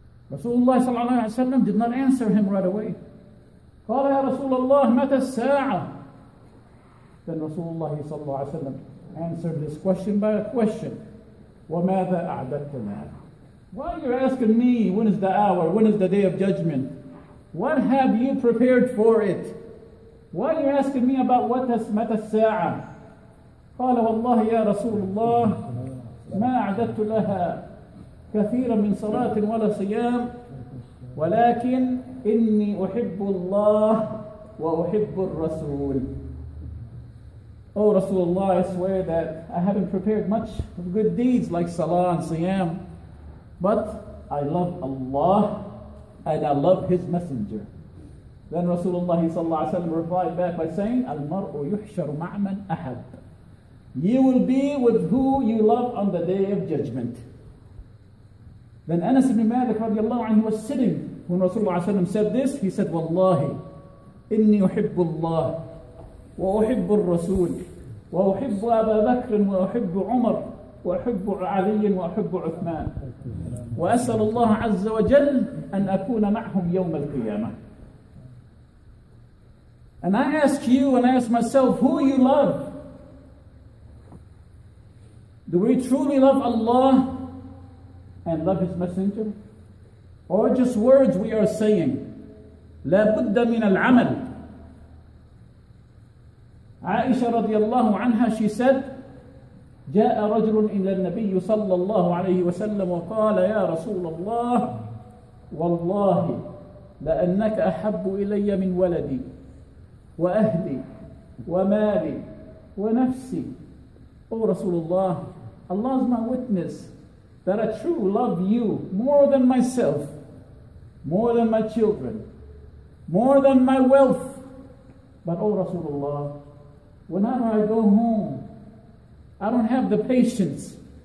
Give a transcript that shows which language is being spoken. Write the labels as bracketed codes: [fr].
[en] Rasulullah sallallahu alayhi wa sallam did not answer him right away. [ar] قال يا رسول الله متى الساعة, [en] then Rasulullah sallallahu alayhi wa sallam answered this question by a question. [ar] وماذا أعددت لنا, [en] why are you asking me when is the hour, when is the day of judgment? What have you prepared for it? Why are you asking me about what has met a sa'a? [ar] قال والله يا رسول الله ما أعددت لها كثيرا من صلاة ولا صيام ولكن إني أحب الله وأحب الرسول. [en] Oh Rasulullah, I swear that I haven't prepared much of good deeds like salah and siyam, but I love Allah and I love His Messenger. Then Rasulullah sallallahu alayhi wa sallam replied back by saying, [ar] Al-mar'u yuhsharu ma'man ahab. [en] You will be with who you love on the Day of Judgment. Then Anas ibn Malik radiallahu anhu was sitting when Rasulullah sallallahu alayhi wa sallam said this. He said, [ar] Wallahi, inni uhibbu Allah, wa uhibbu al-Rasul, wa uhibbu Aba Bakr, wa uhibbu Umar, وأحب علي وأحب عثمان وأسأل الله عز وجل أن أكون معهم يوم القيامة. [en] And I ask you and I ask myself, who you love? Do we truly love Allah and love His Messenger? Or just words we are saying? [ar] لا بد من العمل. عائشة رضي الله عنها, [en] she said, [ar] جاء رجل إلى النبي صلى الله عليه وسلم وقال يا رسول الله والله لأنك أحب إلي من ولدي وأهلي ومالي ونفسي. [en] Oh Rasulullah, Allah is my witness that I truly love you more than myself, more than my children, more than my wealth. But oh Rasulullah, whenever I go home, I don't have the patience.